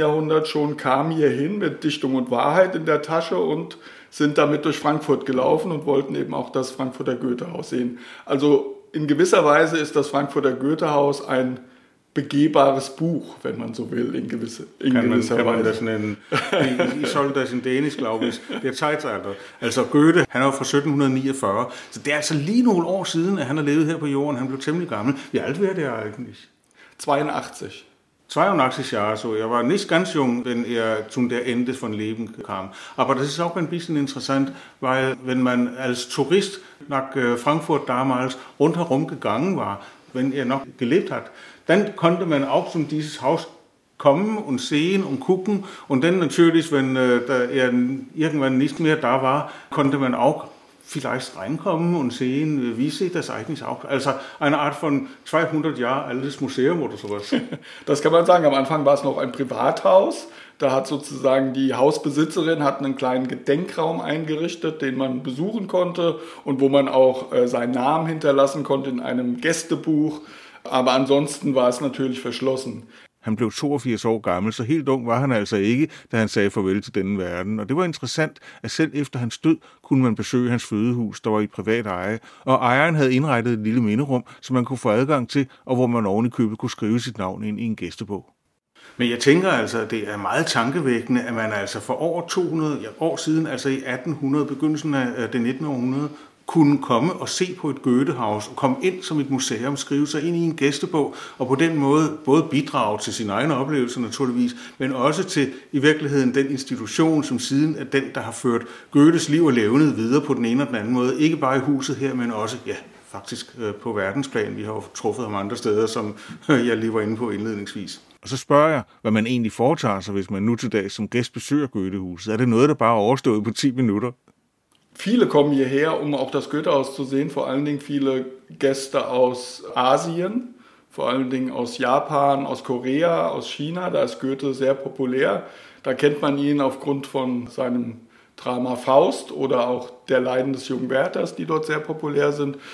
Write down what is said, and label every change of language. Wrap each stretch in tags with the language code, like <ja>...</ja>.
<de>Jahrhundert schon kamen hierhin mit Dichtung und Wahrheit in der Tasche und sind damit durch Frankfurt gelaufen und wollten eben auch das Frankfurter Goethehaus sehen. Also in gewisser Weise ist das Frankfurter Goethehaus ein begehbares Buch, wenn man so will, in gewisser Weise. Kann man das nennen? Ich soll das in Dänisch, glaube ich. Der Zeitalter.</de> <da>Also Goethe, han var fra 1749, så det er altså lige nogle år siden, at han har levet her på jorden. Han blev temmelig gammel.</da> <de>Wie alt wäre der eigentlich? 82. 82 Jahre, so.</de> <da>Jeg var</da> <de>nicht ganz jung, wenn er zum der Ende von Leben kam. Aber das ist auch ein bisschen interessant, weil wenn man als Tourist nach Frankfurt damals rundherum gegangen war, wenn er noch gelebt hat, dann konnte man auch zu dieses Haus kommen und sehen und gucken. Und dann natürlich, wenn er irgendwann nicht mehr da war, konnte man auch vielleicht reinkommen und sehen, wie sieht das eigentlich aus. Also eine Art von 200 Jahre altes Museum oder sowas. Das kann man sagen. Am Anfang war es noch ein Privathaus. Da hat sozusagen die Hausbesitzerin hat einen kleinen Gedenkraum eingerichtet, den man besuchen konnte und wo man auch seinen Namen hinterlassen konnte in einem Gästebuch. Aber ansonsten war es natürlich verschlossen.</de> <da>Han blev 82 år gammel, så helt ung var han altså ikke, da han sagde farvel til denne verden. Og det var interessant, at selv efter hans død kunne man besøge hans fødehus, der var i privat eje. Og ejeren havde indrettet et lille minderum, som man kunne få adgang til, og hvor man oven i købet kunne skrive sit navn ind i en gæstebog. Men jeg tænker altså, at det er meget tankevækkende, at man altså for over 200 år siden, altså i 1800, begyndelsen af det 19. århundrede, kunne komme og se på et Goethehaus og komme ind som et museum, skrive sig ind i en gæstebog og på den måde både bidrage til sin egen oplevelse naturligvis, men også til i virkeligheden den institution, som siden er den, der har ført Goethes liv og levned videre på den ene og den anden måde. Ikke bare i huset her, men også ja, faktisk på verdensplan. Vi har jo truffet ham andre steder, som jeg lige var inde på indledningsvis. Og så spørger jeg, hvad man egentlig foretager sig, hvis man nu til dag som gæst besøger Goethehuset. Er det noget, der bare er overstået på 10 minutter?</da> <de>Viele kommen hierher, um auch das Goethehaus zu sehen, vor allen Dingen viele Gäste aus Asien, vor allen Dingen aus Japan, aus Korea, aus China, da ist Goethe sehr populär. Da kennt man ihn aufgrund von seinem Drama Faust oder auch der Leiden des jungen Werthers, die dort sehr populär sind.</de>